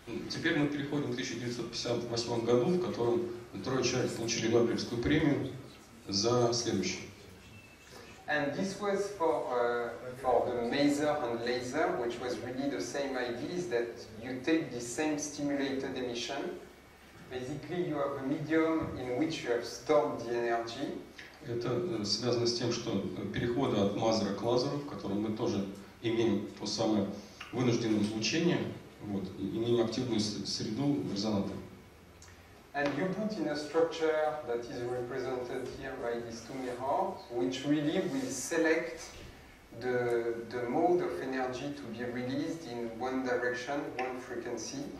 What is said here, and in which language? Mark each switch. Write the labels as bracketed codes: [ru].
[ru] Теперь мы переходим к 1958 году, в котором трое человек получили Нобелевскую премию за следующее. [en] And this was for the Maser and Laser, which was really the same idea, is that you take the same stimulated emission. Basically, you have a medium in which you have stored the energy. [ru] Это связано с тем, что переходы от Мазера к Лазеру, в котором мы тоже имеем то самое вынужденное излучение, вот, имеем активную среду резонатора. [en] And you put in a structure that is represented here by these two mirrors, which really will select the mode of energy to be released in one direction, one frequency.